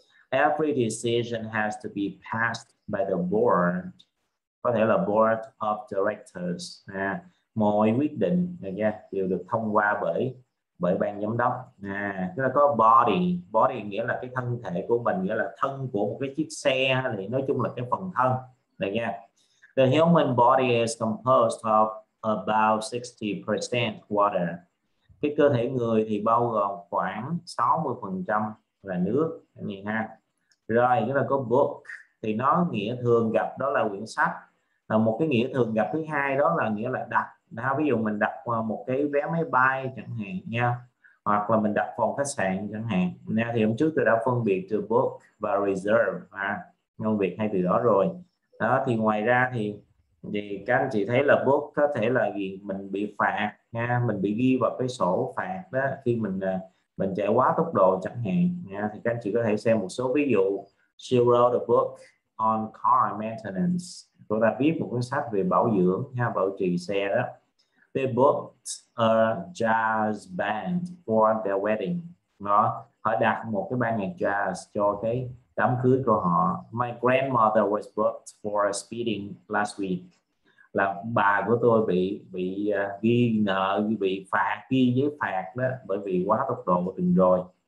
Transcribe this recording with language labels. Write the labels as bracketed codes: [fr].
[en] Every decision has to be passed by the board, [vi] có thể là board of directors mọi quyết định nha đều được thông qua bởi bởi ban giám đốc nè. Nó có body, body nghĩa là cái thân thể của mình, nghĩa là thân của một cái chiếc xe, thì nói chung là cái phần thân này nha. [en] The human body is composed of about 60% water. [vi] Cái cơ thể người thì bao gồm khoảng 60% là nước này ha. Rồi nghĩa là có book thì nó nghĩa thường gặp đó là quyển sách. Là một cái nghĩa thường gặp thứ hai đó là nghĩa là đặt. Đó, ví dụ mình đặt một cái vé máy bay chẳng hạn nha, hoặc là mình đặt phòng khách sạn chẳng hạn nha. Thì hôm trước tôi đã phân biệt từ book và reserve ngôn việt hai từ đó rồi đó. Thì ngoài ra thì các anh chị thấy là book có thể là gì, mình bị phạt nha, mình bị ghi vào cái sổ phạt đó khi mình chạy quá tốc độ chẳng hạn nha. Thì các anh chị có thể xem một số ví dụ. [en] She wrote a book on car maintenance, [vi] cô ta viết một cuốn sách về bảo dưỡng nha, bảo trì xe đó. [en] They booked a jazz band for their wedding. [vi] Đó, họ đặt một cái ban nhạc jazz cho cái đám cưới của họ. [en] My grandmother was booked for speeding last week. [vi] Là bà của tôi bị ghi nợ, bị phạt, ghi giấy phạt đó, bởi vì quá tốc độ từng rồi.